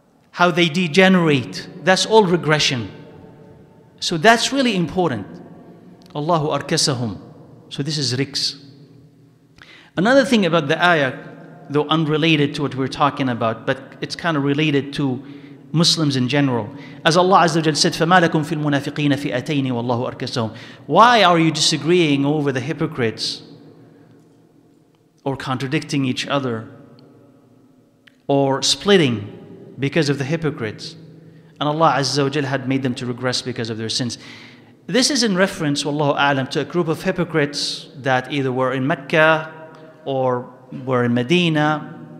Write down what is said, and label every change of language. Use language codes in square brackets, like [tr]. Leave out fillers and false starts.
[en] How they degenerate, that's all regression. So that's really important. Allahu arkasahum. So this is riks. Another thing about the ayah, though unrelated to what we're talking about, but it's kind of related to Muslims in general. As Allah Azza wa Jal said, [ar] فَمَا لَكُمْ فِي الْمُنَافِقِينَ فِئَتَيْنِ وَاللَّهُ أَرْكَسَهُمْ. [en] Why are you disagreeing over the hypocrites or contradicting each other or splitting because of the hypocrites? And Allah Azza wa Jal had made them to regress because of their sins. This is in reference, wallahu a'lam, to a group of hypocrites that either were in Mecca or were in Medina.